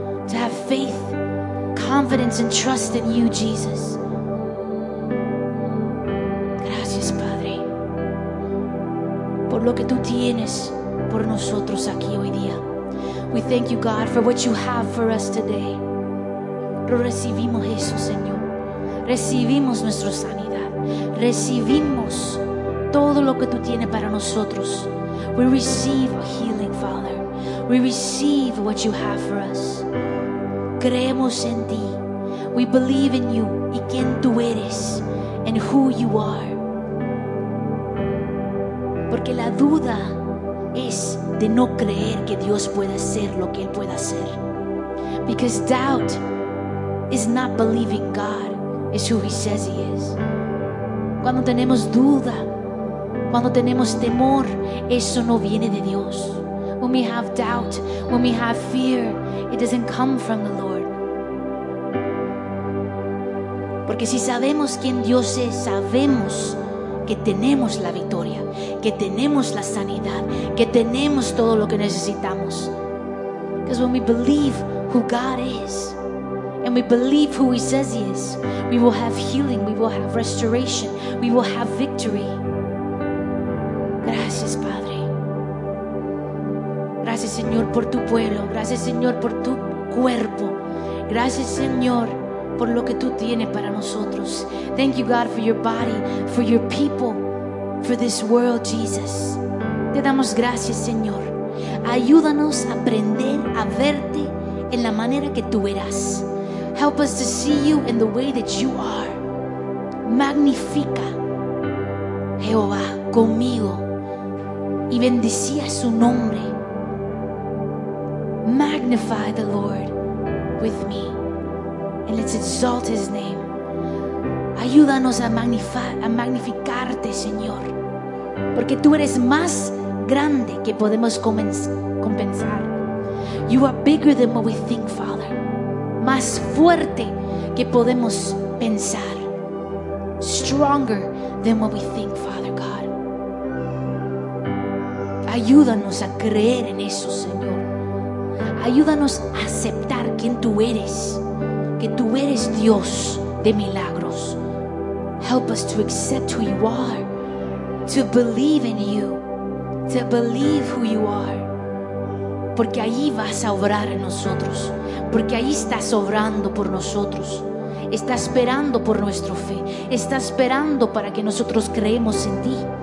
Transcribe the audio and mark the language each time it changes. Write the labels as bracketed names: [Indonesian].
[English] To have faith, confidence and trust in you, Jesus. [Spanish] Gracias, Padre, por lo que tú tienes por nosotros aquí hoy día. [English] We thank you, God, for what you have for us today. [Spanish] Lo recibimos, Jesús, Señor. Recibimos nuestra sanidad. Recibimos todo lo que tú tienes para nosotros. [English] We receive healing, Father. We receive what you have for us. [Spanish] Creemos en ti. [English] We believe in you. [Spanish] Y quien tú eres. [English] And who you are. [Spanish] Porque la duda es de no creer que Dios puede hacer lo que Él puede hacer. [English] Because doubt is not believing God is who He says He is. [Spanish] Cuando tenemos duda, cuando tenemos temor, eso no viene de Dios. [English] When we have doubt, when we have fear, it doesn't come from the Lord. [Spanish] Porque si sabemos quién Dios es, sabemos que tenemos la victoria, que tenemos la sanidad, que tenemos todo lo que necesitamos. [English] Because when we believe who God is, and we believe who He says He is, we will have healing, we will have restoration, we will have victory. [Spanish] Gracias, Padre. Gracias, Señor, por tu pueblo. Gracias, Señor, por tu cuerpo. Gracias, Señor, por lo que tú tienes para nosotros. [English] Thank you, God, for your body, for your people, for this world, Jesus. [Spanish] Te damos gracias, Señor. Ayúdanos a aprender a verte en la manera que tú eras. [English] Help us to see you in the way that you are. [Spanish] Magnifica, Jehová, conmigo. Y bendecía su nombre. [English] Magnify the Lord with me. And let's exalt His name. [Spanish] Ayúdanos a magnificarte, Señor. Porque tú eres más grande que podemos compensar. [English] You are bigger than what we think, Father. [Spanish] Más fuerte que podemos pensar. [English] Stronger than what we think, Father. [Spanish] Ayúdanos a creer en eso, Señor. Ayúdanos a aceptar quién tú eres, que tú eres Dios de milagros. [English] Help us to accept who you are, to believe in you, to believe who you are. [Spanish] Porque ahí vas a obrar en nosotros, porque ahí estás obrando por nosotros. está esperando por nuestra fe, está esperando para que nosotros creemos en ti.